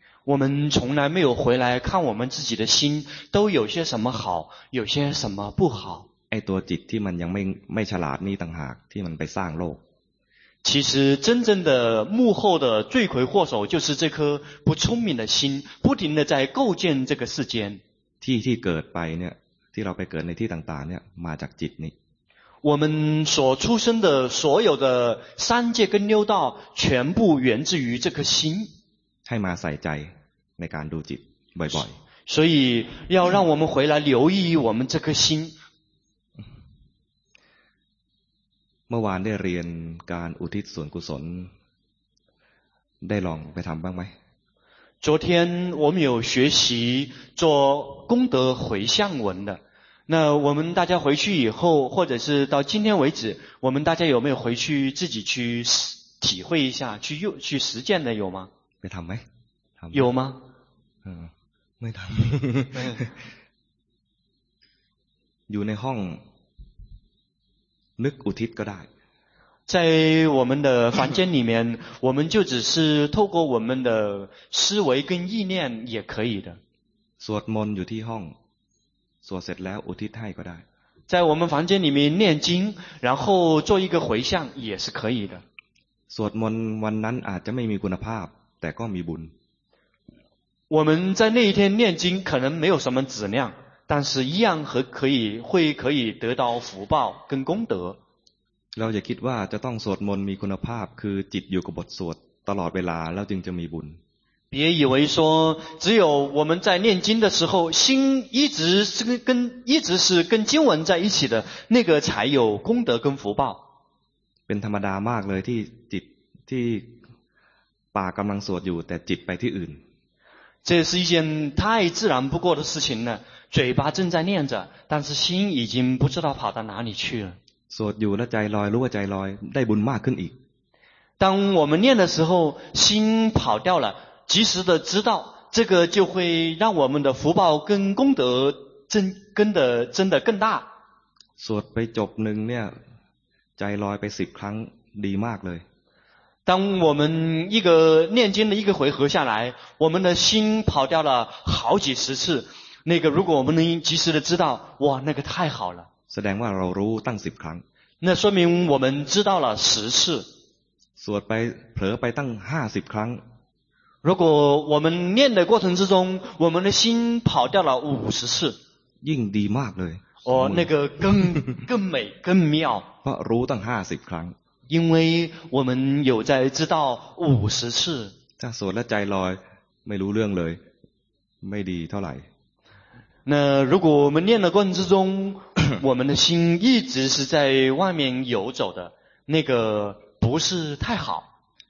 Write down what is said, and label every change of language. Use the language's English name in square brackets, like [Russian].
[Chinese] 我们从来没有回来看我们自己的心都有些什么好有些什么不好。 [Thai] ไอ้ตัวจิตที่มันยังไม่ฉลาดนี่ต่างหากที่มันไปสร้างโลก。 [Chinese] 其实真正的幕后的罪魁祸首就是这颗不聪明的心不停的在构建这个世间。 [Thai] ที่เกิดไปเนี่ยที่เราไปเกิดในที่ต่างๆเนี่ยมาจากจิตนี่。 [Chinese] 我们所出生的所有的三界跟六道全部源自于这颗心。 [Thai] ให้มาใส่ใจในการดูจิตบ่อย [Chinese] ๆ所以要让我们回来留意我们这颗心 [Thai] เมื่อวานได้เรียนการอุทิศส่วนกุศลได้ลองไปทำบ้างไหม [Chinese] 昨天我们有学习做功德回向文的那我们大家回去以后或者是到今天为止我们大家有没有回去自己去体会一下去实践的有吗 [Thai] ไปทำไหม [Chinese] 有吗 [Thai] ไม่ทำ อยู่ในห้องนึกอุทิศก็ได้ [Chinese] 在我们的房间里面我们就只是透过我们的思维跟意念也可以的 [Thai] สวดมนต์อยู่ที่ห้องสวดเสร็จแล้วอุทิศให้ก็ได้ [Chinese] 在我们房间里面念经然后做一个回向也是可以的 [Thai] สวดมนต์วันนั้นอาจจะไม่มีคุณภาพแต่ก็มีบุญ [Chinese] 我们在那一天念经可能没有什么质量但是一样可以得到福报跟功德 [Thai] เราจะคิดว่าจะต้องสวดมนต์มีคุณภาพคือจิตอยู่กับบทสวดตลอดเวลาแล้วจึงจะมีบุญ [Chinese] 别以为说只有我们在念经的时候心一直是跟经文在一起的那个才有功德跟福报 [Thai] เป็นธรรมดามากเลยที่จิตที่ปากกำลังสวดอยู่แต่จิตไปที่อื่น [Chinese] 这是一件太自然不过的事情了嘴巴正在念着但是心已经不知道跑到哪里去了 [Thai] สวดอยู่แล้วใจลอยรู้ว่าใจลอยได้บุญมากขึ้นอีก [Chinese] 当我们念的时候心跑掉了及时的知道这个就会让我们的福报跟功德真的更大 [Thai] สวดไปจบหนึ่งเนี่ยใจลอยไปสิบครั้งดีมากเลย [Chinese] 当我们一个念经的一个回合下来我们的心跑掉了好几十次那个如果我们能及时的知道哇那个太好了 [Thai] แสดงว่าเรารู้ตั้ง10ครั้ง [Chinese] 那说明我们知道了十次 [Thai] สวดไปเผลอไปตั้ง50ครั้ง [Chinese] 如果我们念的过程之中我们的心跑掉了50次 [Thai] ยิ่งดีมากเลย [Chinese] 哦那个更美更妙 [Thai] เพราะรู้ตั้ง50ครั้ง [Chinese] 因为我们有在知道五十次这样说那 [Thai] ใจลอยไม่รู้เรื่องเลยไม่ดีเท่าไหร่ [Chinese] 那如果我们念的过程之中我们的心一直是在外面游走的那个不是太好